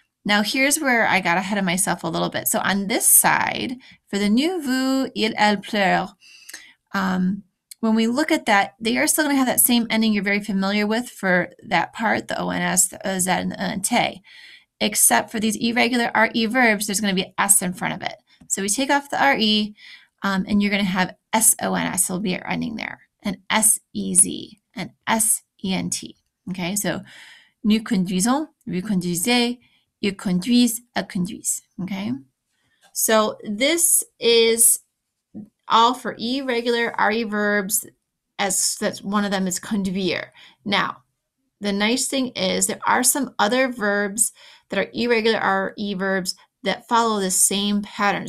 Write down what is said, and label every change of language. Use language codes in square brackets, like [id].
[en] Now here's where I got ahead of myself a little bit. So on this side, for the new [fr] vous, il, elle pleure, [en] when we look at that, they are still going to have that same ending you're very familiar with for that part, the ONS, the EZ, and the ENT. Except for these irregular RE verbs, there's going to be S in front of it. So we take off the RE, and you're going to have SONS will be your ending there. An S-E-Z, an S-E-N-T. Okay, so [fr] nous conduisons, vous conduisez, ils conduisent, elles conduisent. [en] Okay, so this is all for irregular RE verbs. as that's one of them is conduire. Now, the nice thing is there are some other verbs that are irregular RE verbs that follow the same pattern.